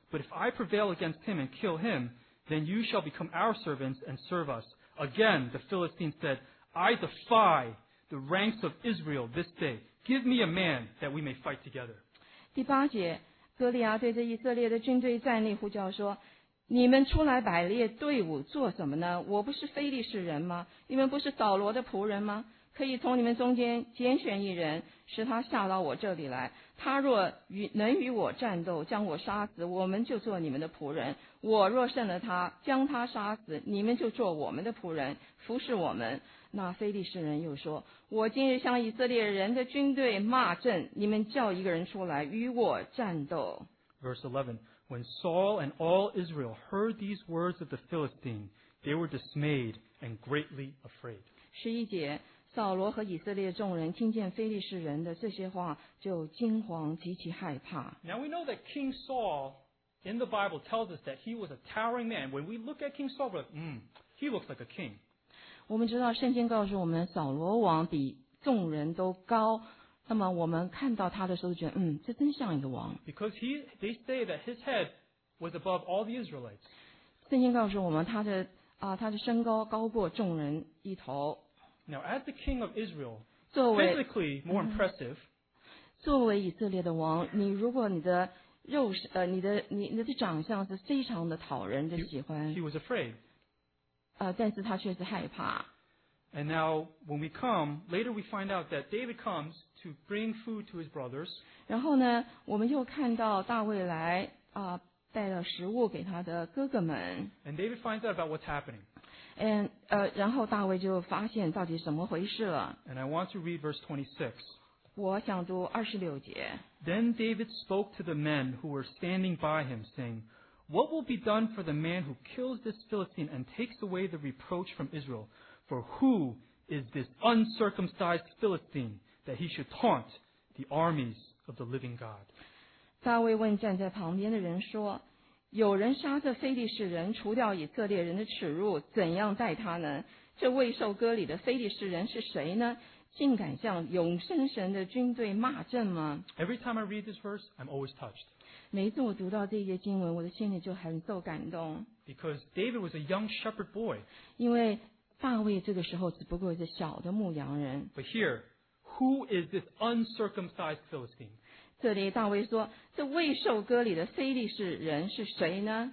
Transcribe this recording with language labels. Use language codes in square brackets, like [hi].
[en] But if I prevail against him and kill him, then you shall become our servants and serve us. Again, the Philistine said, I defy the ranks of Israel this day. Give me a man that we may fight together. [zh] 第八节，哥利亚对着以色列的军队站立呼叫说你们出来摆列队伍做什么呢？我不是非利士人吗？你们不是扫罗的仆人吗？可以从你们中间拣选一人，使他下到我这里来。他若能与我战斗，将我杀死，我们就做你们的仆人。我若胜了他，将他杀死，你们就做我们的仆人，服侍我们。那非利士人又说，我今日向以色列人的军队骂阵，你们叫一个人出来与我战斗。 [en] Verse 11. When Saul and all Israel heard these words of the Philistine, they were dismayed and greatly afraid. [zh] 十一节，扫罗和以色列众人听见非利士人的这些话，就惊惶，极其害怕。 [en] Now we know that King Saul, in the Bible, tells us that he was a towering man. When we look at King Saul, we're like, he looks like a king. [zh] 我们知道圣经告诉我们，扫罗王比众人都高。那么我们看到他的时候觉得这真像一个王。 [en] Because they say that his head was above all the Israelites. [zh] 圣经告诉我们他的身高高过众人一头。 [en] Now as the king of Israel, physically more impressive, [zh] 作为以色列的王，你如果你的肉你的长相是非常的讨人的喜欢。 [en] He was afraid. [zh] 但是他却是害怕。 [en] And now when we come, later we find out that David comes,To bring food to his brothers. [zh] 然后呢，我们又看到大卫来带了食物给他的哥哥们。 [en] And David finds out about what's happening. [zh] And 然后大卫就发现到底怎么回事了。 [en] And I want to read verse 26. [zh] 我想读二十六节。 [en] Then David spoke to the men who were standing by him, saying, "What will be done for the man who kills this Philistine and takes away the reproach from Israel? For who is this uncircumcised Philistine?" That he should taunt the armies of the living God. [zh] 大卫问站在旁边的人说：“有人杀这非利士人，除掉以色列人的耻辱，怎样待他呢？这未受割礼的非利士人是谁呢？竟敢向永生神的军队骂阵吗？” [en] Every time I read this verse, I'm always touched. [zh] 每次我读到这些经文，我的心里就很受感动。 [en] Because David was a young shepherd boy. [zh] 因为大卫这个时候只不过是小的牧羊人。 [en] But here. Who is this uncircumcised Philistine? [zh] 这里大卫说，这未受割礼的非利士人是谁呢？